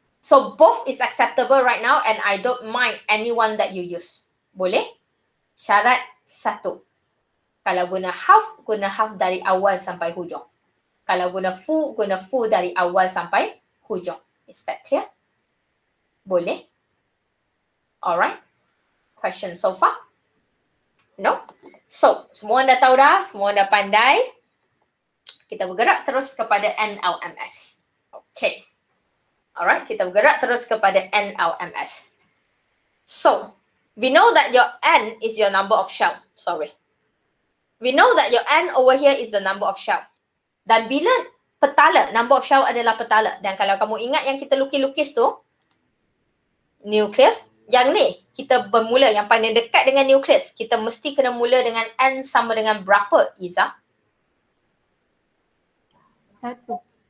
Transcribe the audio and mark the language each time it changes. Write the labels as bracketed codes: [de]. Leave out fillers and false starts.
[en] So both is acceptable right now and I don't mind anyone that you use. [ms] Boleh? Syarat satu. Kalau guna half dari awal sampai hujung. Kalau guna full dari awal sampai hujung. [en] Is that clear? [ms] Boleh? [en] Alright. Question so far? No? [ms] So, semua dah tahu dah, semua dah pandai. Kita bergerak terus kepada NLMS. Okay. Alright, kita bergerak terus kepada NLMS. [en] So, we know that your N is your number of shell. Sorry. We know that your N over here is the number of shell. [ms] Dan bila petala, [en] number of shell [ms] adalah petala. Dan kalau kamu ingat yang kita lukis-lukis tu, nucleus, yang ni kita bermula yang paling dekat dengan nucleus. Kita mesti kena mula dengan N sama dengan berapa, Iza? Satu.